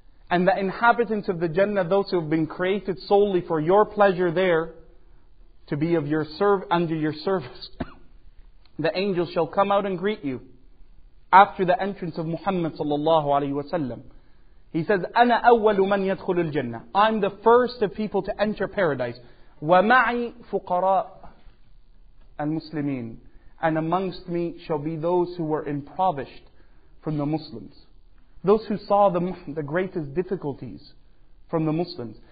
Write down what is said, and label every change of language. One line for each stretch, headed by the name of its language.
English: And the inhabitants of the Jannah, those who have been created solely for your pleasure there, to be of your under your service, the angels shall come out and greet you after the entrance of Muhammad sallallahu alayhi wa sallam. He says,
Arabic: أَنَا أَوَّلُ مَنْ يَدْخُلُ الْجَنَّةِ.
English: I'm the first of people to enter paradise.
Arabic: وَمَعِي فُقَرَاءَ الْمُسْلِمِينَ.
English: And amongst me shall be those who were impoverished from the Muslims. Those who saw the greatest difficulties from the Muslims.